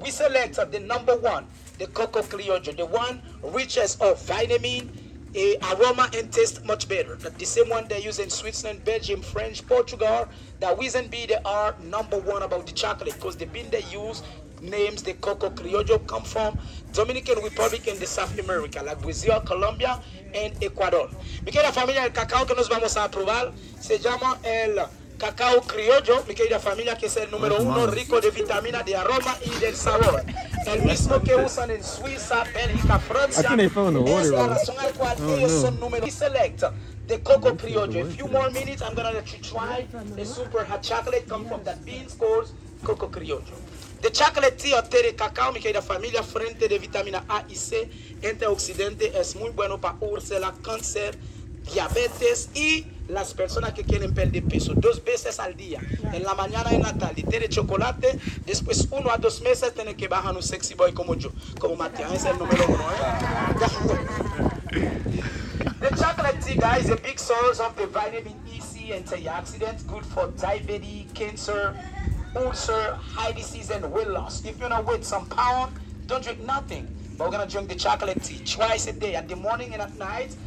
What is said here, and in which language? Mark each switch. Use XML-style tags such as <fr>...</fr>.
<en>We select the number one, the cocoa criollo, the one richest of vitamin A, aroma and taste much better. The same one they use in Switzerland, Belgium, French, Portugal. That reason be they are number one about the chocolate, because the bean they use names the Coco Criollo come from Dominican Republic in the South America, like Brazil, Colombia, and Ecuador.</en> <es>Mi querida familia, el cacao que nos vamos a probar se llama el cacao criollo. Mi querida familia, que es el número uno, rico de vitamina, de aroma y del sabor. El mismo que usan en Suiza, Bélgica, Francia.</es> <en>I think they found the water,</en> <es>es la razón al cual ellos son número uno.</es> <en>Select the Coco Criollo. A few more minutes, I'm gonna let you try the super hot chocolate come from that beans called Coco Criollo. The chocolate tea or tea</en> <es>de cacao, mi querida familia, frente de vitamina A y C, antioxidante, es muy bueno para úlcera, cáncer, diabetes y las personas que quieren perder peso. Dos veces al día, en la mañana y en la tarde. Té de chocolate, después uno a dos meses tienen que bajar un sexy boy como yo, como Matías, es el número uno, ¿eh?</es> <en>The chocolate tea, guys, a big source of the vitamin E, C, antioxidants, good for diabetes, cancer, ulcer, high disease, and weight loss. If you're not with some pound, don't drink nothing. But we're gonna drink the chocolate tea twice a day, at the morning and at night.</en>